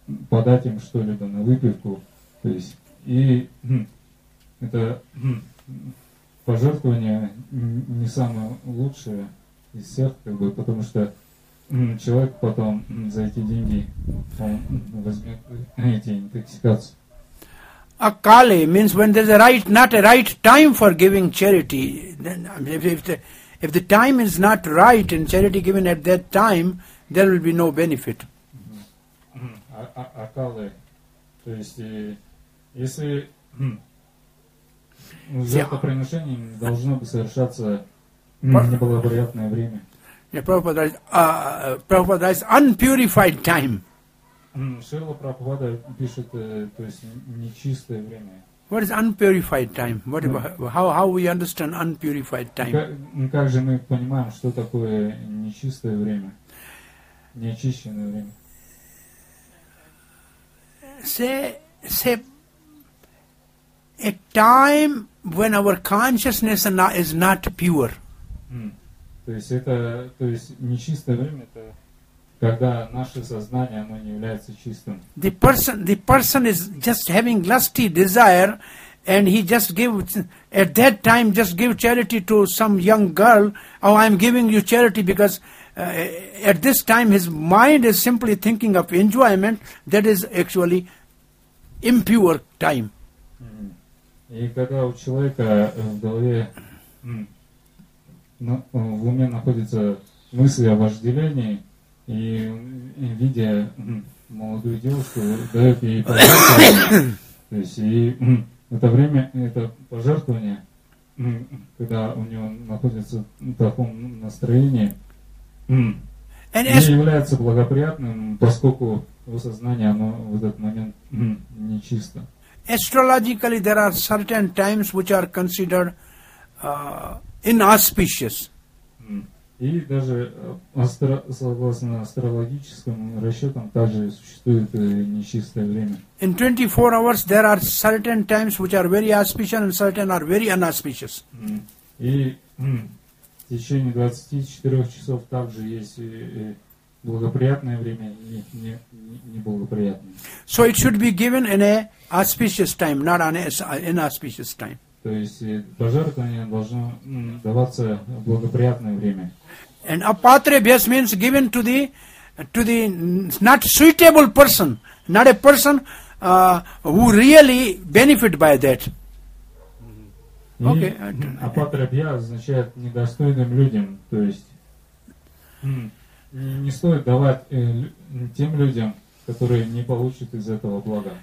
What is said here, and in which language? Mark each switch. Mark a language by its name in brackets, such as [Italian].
[Russian] Подать им что-либо на выпивку, то есть, и это пожертвование не самое лучшее из всех, как бы, потому что человек потом за эти деньги возьмет эти интоксикации. [English] Акали means when there's a right, not a right time for giving charity. Then if the time is not right and charity given at that time, there will be no benefit. [Russian] Акалы, то есть если жертвоприношение должно бы совершаться неблагоприятное время. Прабхупада говорит, [English] unpurified time. [Russian] Шрила Прабхупада пишет, то есть нечистое время. [English] What is unpurified time? What about, how we understand unpurified time? [Russian] Как же мы понимаем, что такое нечистое время, неочищенное время? [English] Say a time when our consciousness is not pure. [Russian] То есть это, то есть нечистое время это когда наше сознание оно не является чистым. [English] The person is just having lusty desire, and he just give at that time just give charity to some young girl. Oh, I'm giving you charity because at this time his mind is simply thinking of enjoyment. That is actually impure time. [Russian] И когда у человека в голове, в уме находятся мысли о вожделении, и видя молодую девушку, дает ей пожертвование, то есть и это время, это пожертвование, когда у него находится в таком настроении, не является благоприятным, поскольку его сознание, оно в этот момент нечисто. [English] astrologically there are certain times which are considered inauspicious. [Russian] И даже согласно астрологическим расчетам также существует нечистое время. [English] In 24 hours there are certain times which are very auspicious and certain are very inauspicious. [Russian] И в течение 24 часов также есть благоприятное время и неблагоприятное. [English] So it should be given in a auspicious time, not an inauspicious time. [Russian] То есть пожертвование должно даваться в благоприятное время. [English] And apatrebhyas means given to the not suitable person, not a person who really benefit by that. Okay. [Russian] Apatrebhya означает недостойным людям, то есть не стоит давать тем людям, которые не получат из этого блага.